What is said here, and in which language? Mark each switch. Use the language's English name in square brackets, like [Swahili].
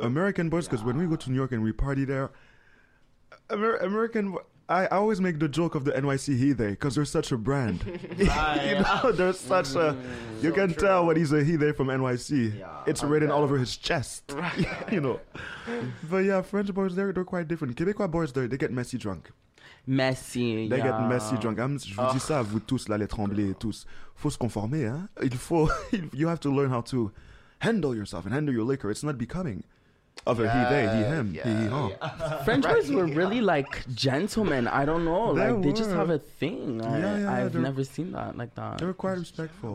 [English] American boys, because when we go to New York and we party there, American, I always make the joke of the NYC he they, because they're such a brand. You know, they're such a, you can tell when he's a he they from NYC. Yeah, it's written all over his chest. Right. You know. But yeah, French boys, they're quite different. Quebecois boys, they get messy drunk. Messy, they get messy drunk. [French] Je vous dis ça à vous tous, là, les tremblés, tous. Faut se conformer, hein? Il faut, [English] you have to learn how to handle yourself and handle your liquor. It's not becoming of a he, they, he, him, he, huh? French boys were really, like, gentlemen. I don't know. They just have a thing. I've never seen that like that. They're quite respectful.